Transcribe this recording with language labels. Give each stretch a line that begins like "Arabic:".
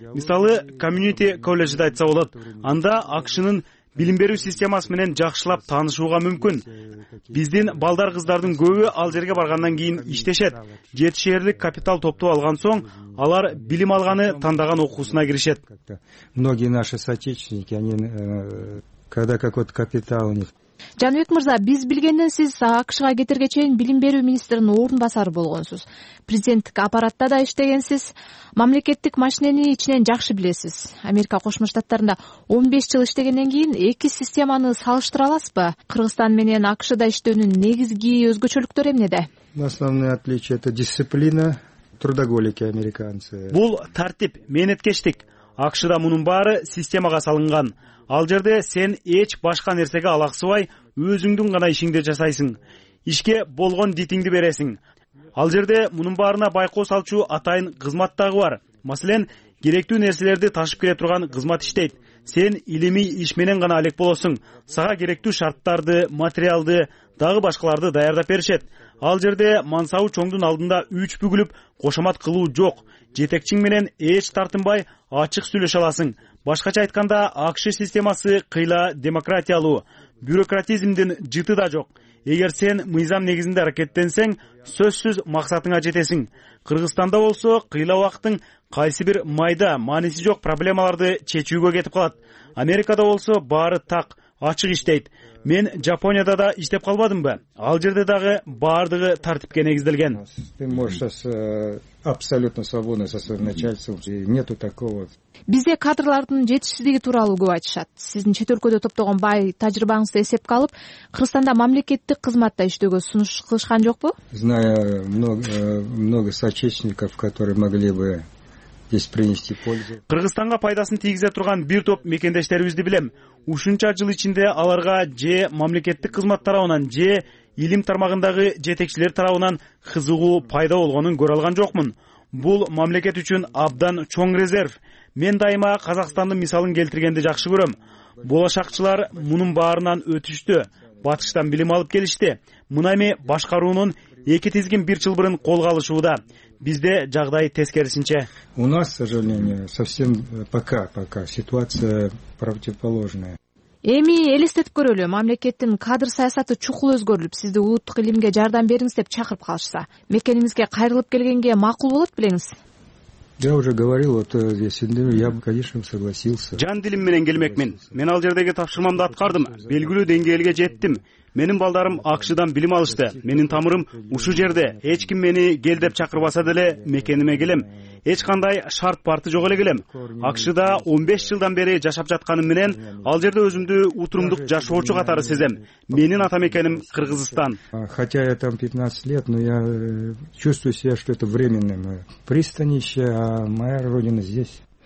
Kyrgyz: Мисалы, Community College айтса болот. Анда АКШнын билим берүү системасы менен жакшылап таанышууга мүмкүн. Биздин балдар кыздардын көбү ал жерге баргандан кийин иштешет. Жетишерлик капитал топтоп алган соң, алар билим алганы тандаган окуусуна киришет.
Russian: Многие наши соотечественники, они когда какой-то капитал у них.
Kyrgyz: Жаныбек мырза, биз билгенден сиз АКШга кетерге чейин билим берүү министринин орун басары болгонсуз. Президенттик аппаратта да иштегенсиз. Мамлекеттик машинени ичинен жакшы билесиз. Америка Кошмо Штаттарында 15 жыл иштегенден кийин эки системаны салыштыра аласызбы? Кыргызстан менен АКШда иштөөнүн негизги өзгөчөлүктөрү эмнеде?
Russian: Основное отличие это дисциплина, трудоголики американцы.
Kyrgyz: Бул тартип, мээнеткечтик. АКШда мунун баары системага салынган. Ал жерде сен эч башка нерсеге алаксыбай өзүңдүн гана ишиңди жасайсың. Ишке болгон дитиңди бересиң. Ал жерде мунун баарына байкоо салчу атайын кызмат дагы бар. Маселен, керектүү нерселерди ташып келе турган кызмат иштейт. Сен илимий иш менен гана алек болосуң. Сага керектүү шарттарды, материалды, дагы башкаларды даярдап беришет. Ал жерде мансабы чоңдун алдында үч бүгүлүп кошомат кылуу жок. Жетекчиң менен эч тартынбай ачык сүйлөшө аласың. Башкача айтканда, АКШ системасы кыйла демократиялуу, бюрократизмдин жыты да жок. Эгер сен мыйзам негизинде аракеттенсең, сөзсүз максатыңа жетесиң. Кыргызстанда болсо, кыйла убактын кайсы бир майда, мааниси жок проблемаларды чечүүгө кетип калат. Америкада болсо, баары так, ачык иштейт. Мен Жапонияда да иштеп калбадымбы? Ал жерде дагы баардыгы тартипке негизделген.
Russian: Ты можешь сейчас абсолютно свободно со своим начальством, нету такого.
Kyrgyz: Бизде кадрлардын жетишсиздиги тууралуу көп айтышат. Сиздин чет өлкөдө топтогон бай тажрыйбаңызды эсепке алып, Кыргызстанда мамлекеттик кызматта иштөөгө сунуш кылышкан жокпу?
Russian: Знаю много соотечественников, которые могли бы здесь принести пользу.
Kyrgyz: Кыргызстанга пайдасын тийгизе турган бир топ мекендештерибизди билем. Ушунча жыл ичинде аларга же мамлекеттик кызмат тарабынан же илим тармагындагы жетекчилер тарабынан кызыгуу пайда болгонун көрө алган жокмун. Бул мамлекет үчүн абдан чоң резерв. Мен дайыма Казакстандын мисалын келтиргенди жакшы көрөм. Болошакчылар мунун баарынан өтүштү, батыштан билим алып келишти. Мына эми башкаруунун эки тизгин бир чылбырын колго алышууда. Бизде жагдай тескерисинче.
Russian: У нас, к сожалению, совсем пока ситуация противоположная.
Kyrgyz: Эми элестетип көрөлү, мамлекеттин кадр саясаты чукул өзгөрүлүп, сизди улуттук илимге жардам бериңиз деп чакырып калышса, мекенимизге кайрылып келгенге макул болот белеңиз?
Russian: Я уже говорил, вот Есендин, я бы, конечно, согласился.
Kyrgyz: Жан дилим менен келмекмин. Мен ал жердеги тапшырмамды аткардым. Белгилүү деңгээлге жеттим. Менин балдарым акшыдан билим алышты. Менин тамырым ушу жерде. Эч ким мени кел деп чакырбаса деле мекениме келем. Эч кандай шарт парты жок эле келем. Акшыда 15 жылдан бери жашап жатканым менен ал жерде өзүмдү утурумдук жашоочу катары сезем. Менин ата мекеним Кыргызстан.
Russian: Хотя я там 15 лет, но я чувствую себя, что это временное пристанище, а моя родина здесь.